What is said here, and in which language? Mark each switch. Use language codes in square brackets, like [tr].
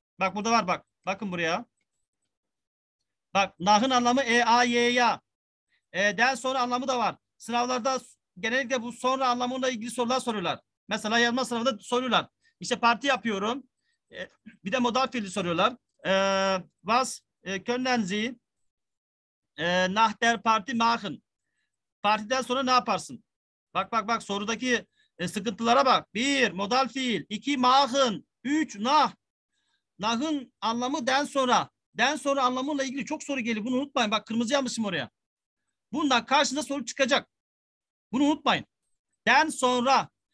[tr] Bak burada var bak. Bakın buraya. Bak nahın anlamı E-A-Y-Y-A. Den sonra anlamı da var. Sınavlarda genellikle bu sonra anlamıyla ilgili sorular soruyorlar. Mesela yazma sınavında soruyorlar. İşte parti yapıyorum. Bir de modal fiili soruyorlar. [de] Was können Sie nach der Party machen? [tr] Partiden sonra ne yaparsın? Bak bak bak sorudaki sıkıntılara bak. Bir, modal fiil. İki, mahın. Üç, nah. Nahın anlamı den sonra. Den sonra anlamıyla ilgili çok soru geliyor. Bunu unutmayın. Bak kırmızı yazmışım oraya. Bundan karşında soru çıkacak. Bunu unutmayın. Den sonra.